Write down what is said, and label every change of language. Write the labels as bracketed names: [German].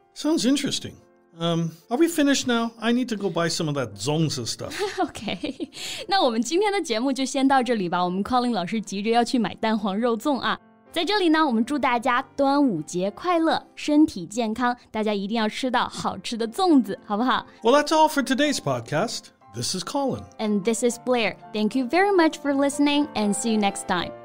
[English] Sounds interesting. Are we finished now? I need to go buy some of that 粽子 stuff. [Chinese] Okay, 那我们今天的节目就先到这里吧。我们 Colin 老师急着要去买蛋黄肉粽啊。在这里呢，我们祝大家端午节快乐，身体健康，大家一定要吃到好吃的粽子，好不好？ [English] Well, that's all for today's podcast. This is Colin. And this is Blair. Thank you very much for listening and see you next time.